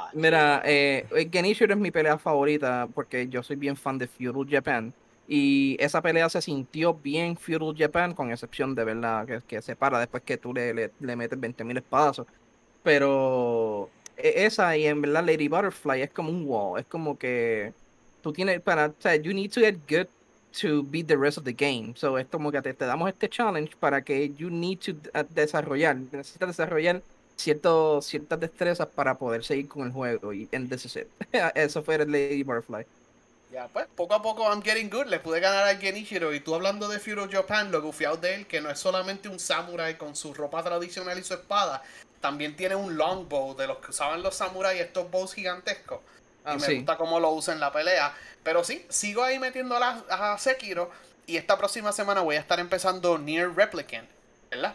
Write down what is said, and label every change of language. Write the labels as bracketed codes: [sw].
[es] Sí. Mira, Genichiro es mi pelea favorita porque yo soy bien fan de Feudal Japan. Y esa pelea se sintió bien Feudal Japan, con excepción de verdad que se para después que tú le metes 20,000 espadazos. Pero esa y en verdad Lady Butterfly es como un wall. Es como que tú tienes para... O sea, [en] you need to get good to beat the rest of the game. [es] So es como que te damos este challenge para que [en] you need to [es] desarrollar. Necesitas desarrollar ciertas destrezas para poder seguir con el juego. [en] Y and this is it. [es] Eso fue Lady Butterfly. Ya, pues, poco a poco [en] I'm getting good, [es] le pude ganar a Genichiro, y tú hablando de Feudal Japan, lo gufiado de él, que no es solamente un samurai con su ropa tradicional y su espada, también tiene un longbow de los que usaban los samuráis, estos bows gigantescos, y me gusta cómo lo usa en la pelea, pero sí, sigo ahí metiendo a Sekiro, y esta próxima semana voy a estar empezando Nier Replicant, ¿verdad?